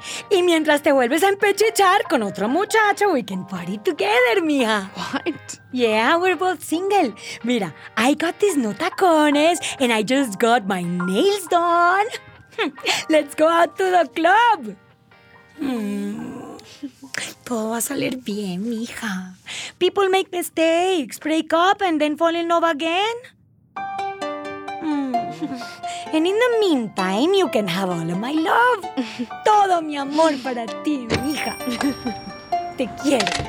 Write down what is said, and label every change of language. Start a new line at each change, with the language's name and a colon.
Spanish: Y mientras te vuelves a empechichar con otro muchacho,
English: we can party together,
Spanish: mija.
English: What? Yeah, we're both single.
Spanish: Mira,
English: I got these new tacones and I just got my nails done. Let's go out to the club.
Spanish: Todo va a salir bien, mija.
English: People make mistakes, break up, and then fall in love again. And in the meantime, you can have all of my love.
Spanish: Todo mi amor para ti, mija. Te quiero.